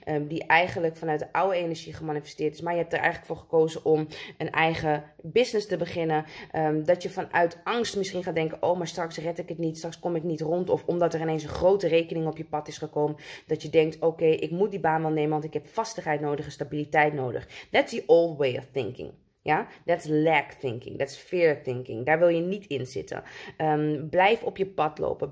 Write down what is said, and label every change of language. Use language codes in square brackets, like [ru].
[nl] Die eigenlijk vanuit de oude energie gemanifesteerd is. Maar je hebt er eigenlijk voor gekozen om een eigen business te beginnen. Dat je vanuit angst misschien gaat denken, oh, maar straks red ik het niet. Straks kom ik niet rond. Of omdat er ineens een grote rekening op je pad is gekomen. Dat je denkt, oké, ik moet die baan wel nemen. Want ik heb vastigheid nodig en stabiliteit nodig. [en] That's the old way of thinking. Ja, that's lack thinking, that's fear thinking. [nl] Daar wil je niet in zitten. Blijf op je pad lopen.